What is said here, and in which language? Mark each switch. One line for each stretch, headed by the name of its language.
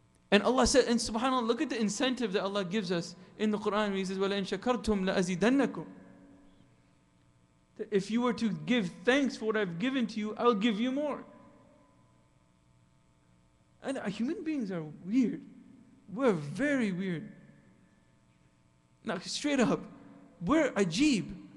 English: And Allah said, and subhanAllah, look at the incentive that Allah gives us in the Quran. He says,
Arabic: وَلَئِن شَكَرْتُمْ لَأَزِيدَنَّكُمْ.
English: If you were to give thanks for what I've given to you, I'll give you more. And human beings are weird. We're very weird. Now, straight up, we're ajeeb.